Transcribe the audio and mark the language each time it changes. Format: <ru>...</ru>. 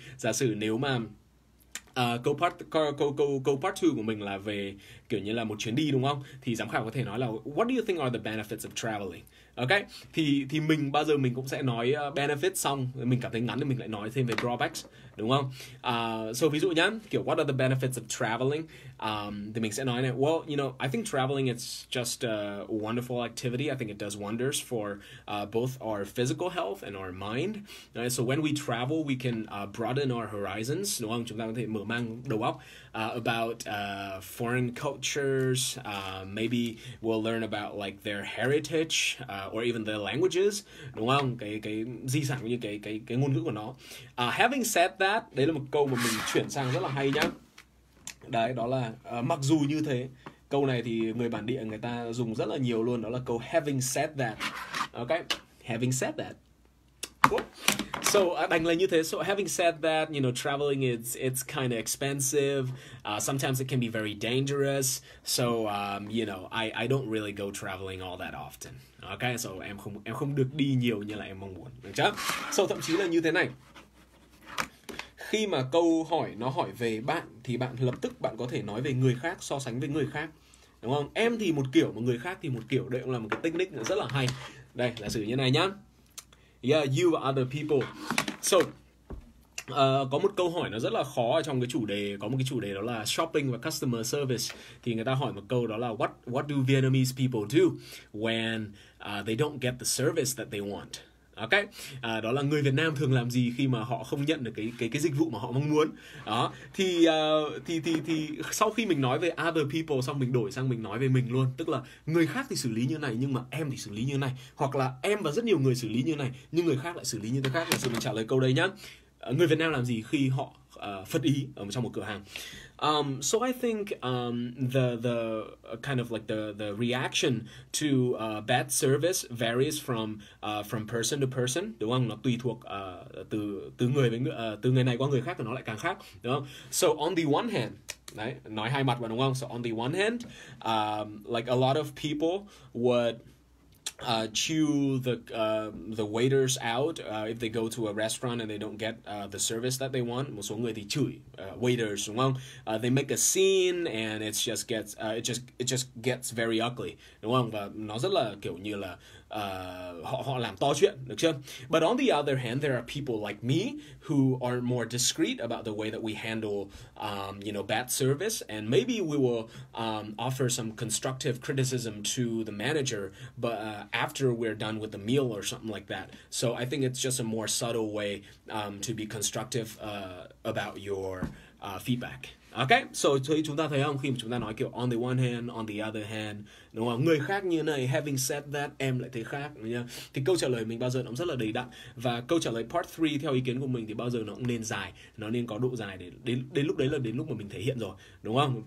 <vi>Giả sử nếu mà câu part 2 của mình là về kiểu như là một chuyến đi, đúng không? Thì giám khảo có thể nói là</vi> <en>what do you think are the benefits of traveling?</en> <vi>Ok, thì mình bao giờ mình cũng sẽ nói benefits xong, mình cảm thấy ngắn thì mình lại nói thêm về drawbacks, đúng không?</vi> <en>So</en> <vi>ví dụ nhá, kiểu</vi> <en>what are the benefits of traveling?</en> <vi>Thì mình sẽ nói này,</vi> <en>well, you know, I think traveling is just a wonderful activity. I think it does wonders for both our physical health and our mind. So when we travel, we can broaden our horizons,</en> <vi>đúng không? Chúng ta có thể mở mang đầu óc</vi> <en>about foreign cultures, maybe we'll learn about like their heritage or even their languages, đúng không?</en> <vi>Cái di sản cũng như cái ngôn ngữ của nó.</vi> <en>Having said that,</en> <vi>đấy là một câu mà mình chuyển sang rất là hay nhá. Đấy, đó là mặc dù như thế, câu này thì người bản địa người ta dùng rất là nhiều luôn, đó là câu</vi> <en>having said that. Ok, having said that. So,</en> <vi>đành là như thế.</vi> <en>So, having said that, you know, traveling it's kind of expensive. Sometimes it can be very dangerous. So, you know, I don't really go traveling all that often.</en> <vi>Okay, so em không được đi nhiều như là em mong muốn. Được chưa? So, thậm chí là như thế này. Khi mà câu hỏi nó hỏi về bạn, thì bạn lập tức bạn có thể nói về người khác, so sánh với người khác. Đúng không? Em thì một kiểu, mà người khác thì một kiểu. Đây cũng là một cái technique rất là hay. Đây, giả sử như này nhá.</vi> <en>Yeah, you are other people.</en> <vi>So, Có một câu hỏi nó rất là khó ở trong cái chủ đề, có một cái chủ đề đó là shopping và customer service. Thì người ta hỏi một câu đó là</vi> <en>what do Vietnamese people do when they don't get the service that they want?</en> <vi>Ok, đó là người Việt Nam thường làm gì khi mà họ không nhận được cái dịch vụ mà họ mong muốn. Đó, thì sau khi mình nói về other people xong mình đổi sang mình nói về mình luôn, tức là người khác thì xử lý như này nhưng mà em thì xử lý như này, hoặc là em và rất nhiều người xử lý như này nhưng người khác lại xử lý như thế khác. Giả sử mình trả lời câu đấy nhá. Người Việt Nam làm gì khi họ phật ý ở trong một cửa hàng?</vi> <en>So I think the kind of like the reaction to bad service varies from person to person,</en> <vi>đúng không? Nó tùy thuộc từ từ người với từ người này qua người khác thì nó lại càng khác, đúng không?</vi> <en>So on the one hand,</en> <vi>đấy, nói hai mặt mà đúng không?</vi> <en>So on the one hand, like a lot of people would chew the waiters out if they go to a restaurant and they don't get the service that they want.</en> <vi>Một số người thì chửi waiters đúng không?</vi> <en>They make a scene and it just gets very ugly</en> <vi>đúng không? Và nó rất là kiểu như là họ họ làm to chuyện, được chưa?</vi> <en>But on the other hand, there are people like me who are more discreet about the way that we handle bad service, and maybe we will offer some constructive criticism to the manager, but after we're done with the meal or something like that. So I think it's just a more subtle way to be constructive about your feedback.</en> <vi>Ok, so thì chúng ta thấy không, khi mà chúng ta nói kiểu</vi> <en>on the one hand, on the other hand,</en> <vi>đúng không? Người khác như này,</vi> <en>having said that,</en> <vi>em lại thấy khác, đúng không? Thì câu trả lời mình bao giờ nó cũng rất là đầy đặn. Và câu trả lời part 3 theo ý kiến của mình thì bao giờ nó cũng nên dài, nó nên có độ dài để đến lúc đấy là đến lúc mà mình thể hiện rồi, đúng không?</vi>